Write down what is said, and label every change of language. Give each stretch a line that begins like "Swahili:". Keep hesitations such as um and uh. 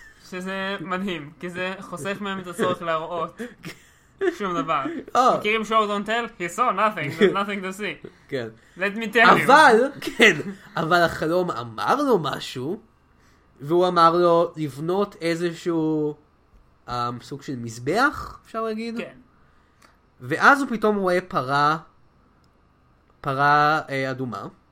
Hebrew: שזה מדהים, כי זה חוסך מהם את הצורך להראות. שום דבר. Oh. מכירים
English: show don't tell? he saw nothing, there's nothing to see. כן. let me tell you.
Hebrew: אבל, כן, אבל החלום אמר לו משהו, והוא אמר לו לבנות איזשהו um, סוג של מזבח, אפשר להגיד. כן. ואז הוא פתאום הוא רואה פרה, פרה איי, אדומה.